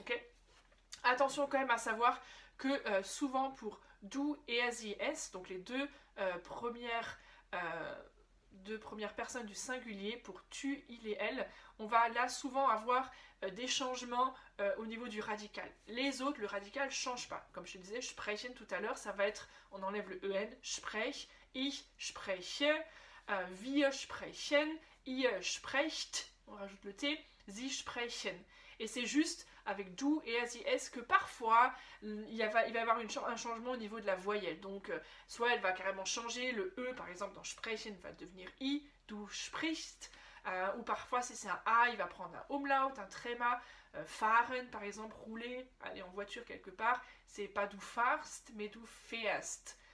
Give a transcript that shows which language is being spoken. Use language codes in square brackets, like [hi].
[fr] Ok ? Attention quand même à savoir que souvent pour « du » et « as, es », donc les deux premières personnes du singulier, pour « tu »,« il » et « elle », on va là souvent avoir des changements au niveau du radical. Les autres, le radical ne change pas. Comme je te disais, « sprechen » tout à l'heure, ça va être, on enlève le « en »,« sprech »,« ich »,« spreche ». [de] Wir sprechen, ihr sprecht, [fr] on rajoute le T, [de] sie sprechen. [fr] Et c'est juste avec du et as que parfois il va y avoir un changement au niveau de la voyelle. Donc soit elle va carrément changer, le E par exemple dans sprechen va devenir I, [de] du sprichst, [fr] ou parfois si c'est un A, il va prendre un umlaut, un tréma, fahren par exemple, rouler, aller en voiture quelque part, c'est pas du fahrst mais [de] du fährst.